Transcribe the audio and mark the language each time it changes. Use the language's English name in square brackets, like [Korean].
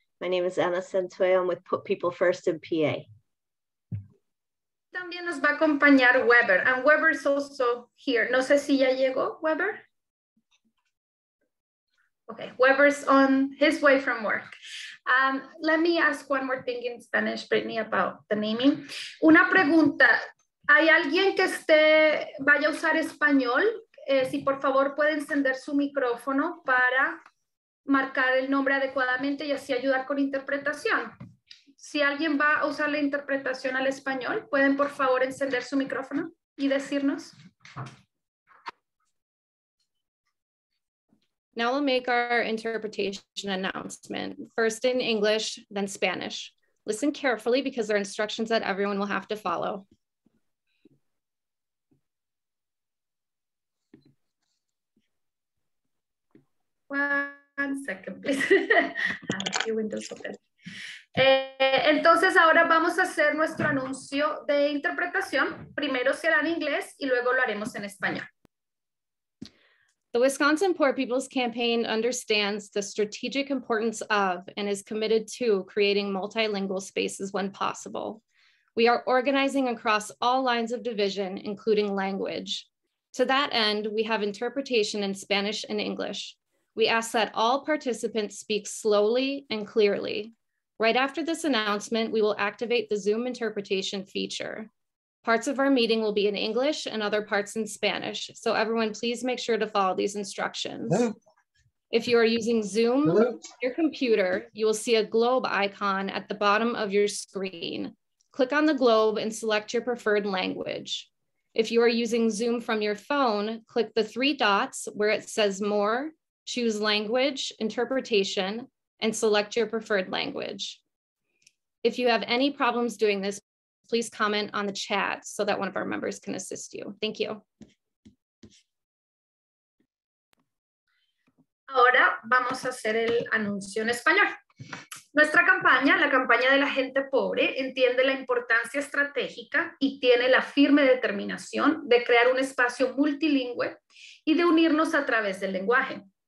[English] My name is Ana Santoyo. I'm with Put People First in PA. [Spanish] También nos va a acompañar Weber. [English] And Weber is also here. [Spanish] No sé si ya llegó, Weber. [English] Okay, Weber's on his way from work. Let me ask one more thing in Spanish, Brittany, about the naming. [Spanish] Una pregunta, ¿hay alguien que esté, vaya a usar español? Si por favor puede encender su micrófono para marcar el nombre adecuadamente y así ayudar con interpretación. Si alguien va a usar la interpretación al español, ¿pueden por favor encender su micrófono y decirnos? [English] Now we'll make our interpretation announcement, first in English, then Spanish. Listen carefully because there are instructions that everyone will have to follow. One second, please. Your window's open. [Spanish] Entonces ahora vamos a hacer nuestro anuncio de interpretación. Primero será en inglés y luego lo haremos en español. [English] The Wisconsin Poor People's Campaign understands the strategic importance of and is committed to creating multilingual spaces when possible. We are organizing across all lines of division, including language. To that end, we have interpretation in Spanish and English. We ask that all participants speak slowly and clearly. Right after this announcement, we will activate the Zoom interpretation feature. Parts of our meeting will be in English and other parts in Spanish. So everyone, please make sure to follow these instructions. Hello. If you are using Zoom, Hello. Your computer, you will see a globe icon at the bottom of your screen. Click on the globe and select your preferred language. If you are using Zoom from your phone, click the three dots where it says more, choose language, interpretation, and select your preferred language. If you have any problems doing this, please comment on the chat so that one of our members can assist you. Thank you. [Spanish] Ahora vamos a hacer el anuncio en español. Nuestra campaña, la campaña de la gente pobre, entiende la importancia estratégica y tiene la firme determinación de crear un espacio multilingüe y de unirnos a través del lenguaje.